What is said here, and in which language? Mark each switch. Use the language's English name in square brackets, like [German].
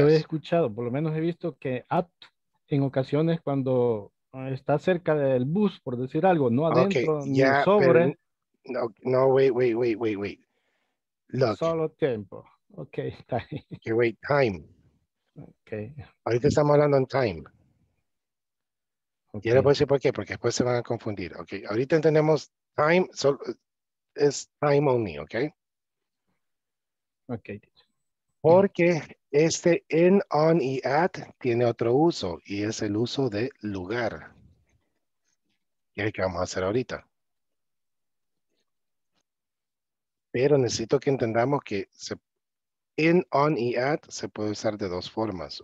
[Spanish] Yo he escuchado, por lo menos he visto que at, en ocasiones cuando está cerca del bus, por decir algo, no adentro, [English] okay. [Spanish] Ni [English] yeah, [Spanish] sobre. [English] No, wait. Look. [Spanish] Solo tiempo. Okay, [English] time. Okay, wait, time. Okay. [Spanish] Ahorita estamos hablando en time. Okay. Y ahora voy a decir por qué, porque después se van a confundir. [English] Okay. [Spanish] Ahorita entendemos time, [English] so it's time only, okay? Okay. [Spanish] Porque este in, on y at tiene otro uso y es el uso de lugar. ¿Qué es lo que vamos a hacer ahorita? Pero necesito que entendamos que se, in, on y at se puede usar de dos formas.